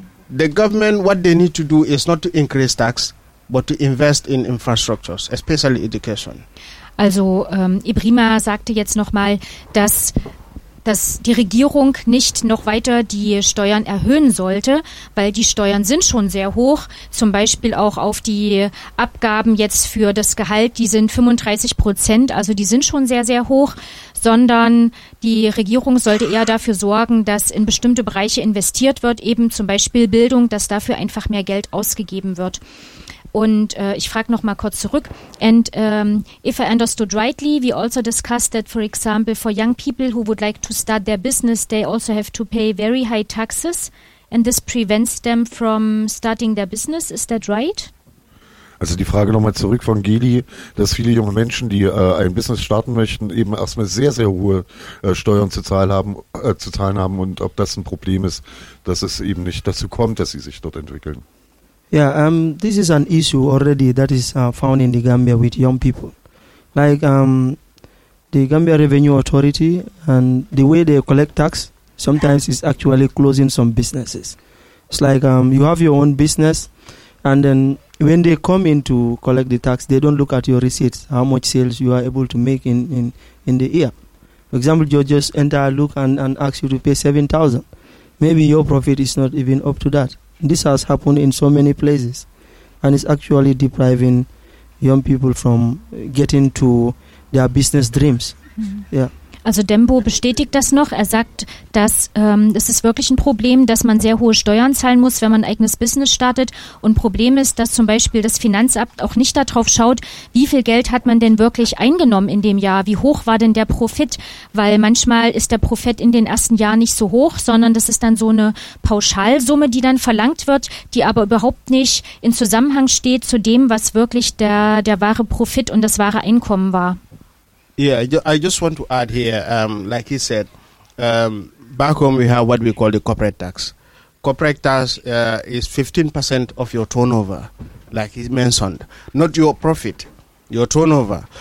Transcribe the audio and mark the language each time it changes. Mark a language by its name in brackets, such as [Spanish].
[English] The government, what they need to do is not to increase tax, but to invest in infrastructures, especially education. [German] Also, Ibrima sagte jetzt nochmal, dass die Regierung nicht noch weiter die Steuern erhöhen sollte, weil die Steuern sind schon sehr hoch, zum Beispiel auch auf die Abgaben jetzt für das Gehalt, die sind 35%, also die sind schon sehr, sehr hoch, sondern die Regierung sollte eher dafür sorgen, dass in bestimmte Bereiche investiert wird, eben zum Beispiel Bildung, dass dafür einfach mehr Geld ausgegeben wird. Und ich frage noch mal kurz zurück. [English] And if I understood rightly, we also discussed that, for example, for young people who would like to start their business, they also have to pay very high taxes, and this prevents them from starting their business. Is that right? [German] Also die Frage nochmal zurück von Geli, dass viele junge Menschen, die ein Business starten möchten, eben erstmal sehr, sehr hohe Steuern zu zahlen haben und ob das ein Problem ist, dass es eben nicht dazu kommt, dass sie sich dort entwickeln. [English] Yeah, this is an issue already that is found in the Gambia with young people. Like the Gambia Revenue Authority and the way they collect tax, sometimes it's actually closing some businesses. It's like you have your own business, and then when they come in to collect the tax, they don't look at your receipts, how much sales you are able to make in the year. For example, you just enter a look and ask you to pay 7,000. Maybe your profit is not even up to that. This has happened in so many places, and it's actually depriving young people from getting to their business dreams. Mm-hmm. Yeah. [German] Also Dembo bestätigt das noch. Er sagt, dass es ist wirklich ein Problem, dass man sehr hohe Steuern zahlen muss, wenn man ein eigenes Business startet. Und Problem ist, dass zum Beispiel das Finanzamt auch nicht darauf schaut, wie viel Geld hat man denn wirklich eingenommen in dem Jahr? Wie hoch war denn der Profit? Weil manchmal ist der Profit in den ersten Jahren nicht so hoch, sondern das ist dann so eine Pauschalsumme, die dann verlangt wird, die aber überhaupt nicht in Zusammenhang steht zu dem, was wirklich der wahre Profit und das wahre Einkommen war. [English] Yeah, I just want to add here, like he said, back home we have what we call the corporate tax. Corporate tax is 15% of your turnover, like he mentioned, not your profit, your turnover.